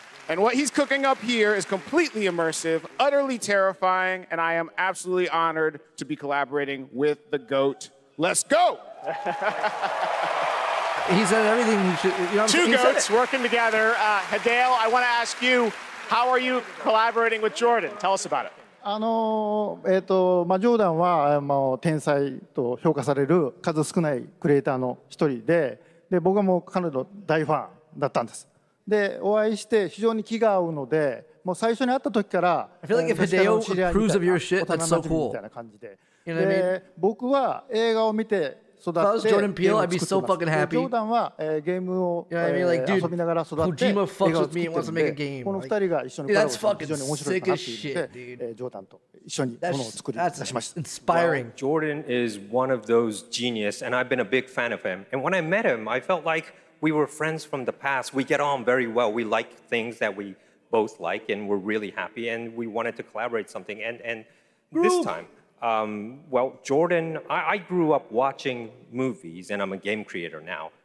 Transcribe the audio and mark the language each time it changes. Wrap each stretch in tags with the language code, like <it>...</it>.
<en>And what he's cooking up here is completely immersive, utterly terrifying, and I am absolutely honored to be collaborating with the GOAT. Let's go! He said everything you should... You know, Two GOATs working together. Hideo, I want to ask you, how are you collaborating with Jordan? Tell us about it.</en> <ja>ジョーダンは天才と評価される数少ないクリエイターの一人で、で僕はもう彼の大ファンだったんです。でお会いして非常に気が合うので、もう最初に会った時から、</ja> <en>I feel like if Hideo approves of your shit, that's so cool.</en> <ja>みたいな感じで、で僕は映画を見て育って、</ja> <en>If I was Jordan Peele, I'd be so fucking happy.</en> <ja>ジョーダンはゲームを遊びながら育って、</ja> <en>Kojima fucks with me and wants to make a game.</en> <ja>この二人が一緒にコラボして非常に面白い話で、ジョーダンと</ja> <en>That's inspiring. Well, Jordan is one of those genius, and I've been a big fan of him. And when I met him, I felt like we were friends from the past. We get on very well. We like things that we both like, and we're really happy, and we wanted to collaborate something. And this time, well, Jordan, I grew up watching movies, and I'm a game creator now.</en>